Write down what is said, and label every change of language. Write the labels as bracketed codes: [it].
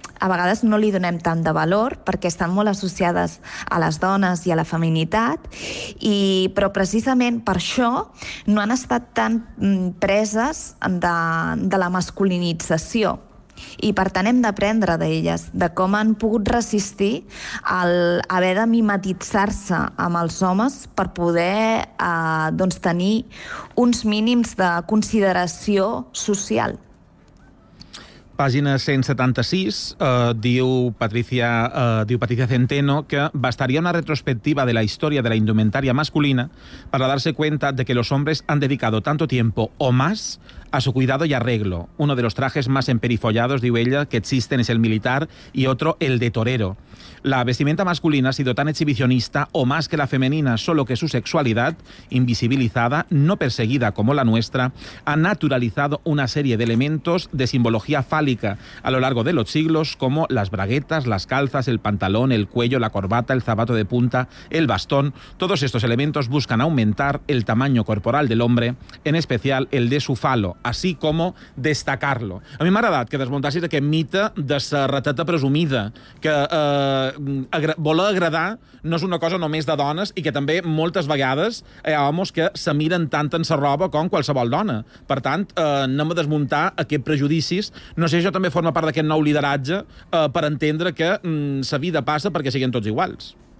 [ca] a vegades no li donem tant de valor perquè estan molt associades a les dones i a la feminitat, i, però precisament per això no han estat tan preses de la masculinització. I per tant hem d'aprendre d'elles, de com han pogut resistir al haver de mimetitzar-se amb els homes per poder doncs tenir uns mínims de consideració social. Pàgina 176, diu Patricia Centeno que [es] bastaría una retrospectiva de la historia de la indumentaria masculina para darse cuenta de que los hombres han dedicado tanto tiempo o más a su cuidado y arreglo. Uno de los trajes más emperifollados, [ca] diu ella, [es] que existen es el militar y otro el de torero. La vestimenta masculina ha sido tan exhibicionista o más que la femenina, solo que su sexualidad, invisibilizada, no perseguida como la nuestra, ha naturalizado una serie de elementos de simbología fálica a lo largo de los siglos, como las braguetas, las calzas, el pantalón, el cuello, la corbata, el zapato de punta, el bastón. Todos estos elementos buscan aumentar el tamaño corporal del hombre, en especial el de su falo, así como destacarlo. [ca] A mí me ha agradat que desmontassis aquest mite de la rateta presumida, que voler agradar no és una cosa només de dones, i que també moltes vegades hi ha homes que se miren tant en sa roba com qualsevol dona. Per tant, anem a desmuntar aquests prejudicis. No sé, això també forma part d'aquest nou lideratge, per entendre que sa vida passa perquè siguin tots iguals.